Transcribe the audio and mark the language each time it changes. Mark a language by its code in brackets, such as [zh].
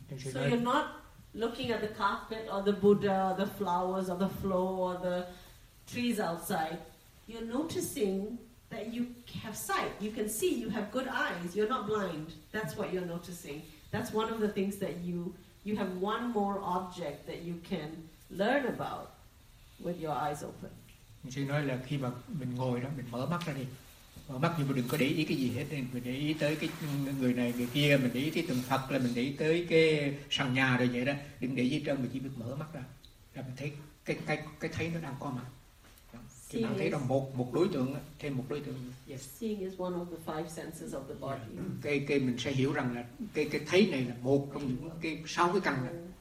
[en] So you're not looking at the carpet or the Buddha or the flowers or the floor or the trees outside. You're noticing that you have sight, you can see, you have good eyes, you're not blind. That's what you're noticing. That's one of the things that you have one more object that you can learn about with your eyes open. [vi] Sư nói là khi mà mình ngồi đó, mình mở mắt ra đi. Mở mắt nhưng mà đừng có để ý cái gì hết. Mình để ý tới cái người này, người kia, mình để ý tới tượng Phật, là mình để ý tới cái sàn nhà rồi vậy đó. Đừng để ý trơn, mình chỉ biết mở mắt ra. Là mình thấy cái thấy nó đang có mặt. Bạn thấy rằng một đối tượng, thêm một đối tượng. [en] Yes. Seeing is one of the five senses of the body. [vi] Cái mình sẽ hiểu rằng là cái thấy này là một trong những cái sáu cái căn này.